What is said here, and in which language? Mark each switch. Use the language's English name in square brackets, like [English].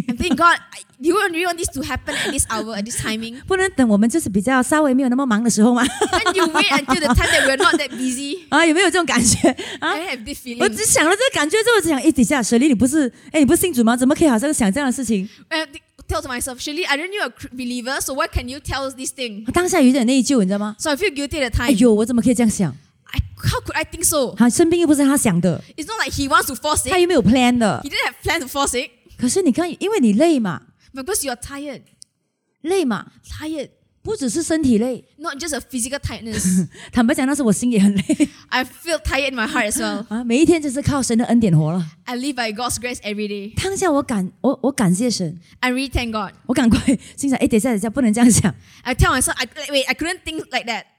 [English] And thank God, do you really want this to happen at this hour, at this timing? [Chinese] 不能等我们就是比较稍微没有那么忙的时候吗？ [English] Can you wait until the time that we're not that busy? [Chinese] 啊，有没有这种感觉？ [English] I have this feeling. [Chinese] 我只想了这个感觉之后，我就想，哎，等一下，Shirley，你不是信主吗？怎么可以好像想这样的事情？ [English] Tell to myself, Shirley, aren't you a believer? So why can you tell this thing? [Chinese] 当下有点内疚，你知道吗？ [English] So I feel guilty at the time. [Chinese] 哎呦，我怎么可以这样想？ [English] How could I think so? [Chinese] 他生病又不是他想的。 [English] It's not like he wants to force it. [Chinese] 他又没有 plan 的。 [English] He didn't have plan to force it. [Chinese] 可是你看，因为你累嘛。 [English] Because you're tired. [Chinese] 累嘛。 [English] Tired. [Chinese] 不只是身体累。 [English] Not just a physical tiredness. [Chinese] 坦白讲，那时我心也很累。 [English] I feel tired in my heart as well. [Chinese] 每一天就是靠神的恩典活了。 [English] I live by God's grace every day. [Chinese] 当下我感谢神。 [English] I really thank God. [Chinese] 我赶快心想，哎，等一下，不能这样想。 [English] I tell myself, I couldn't think like that.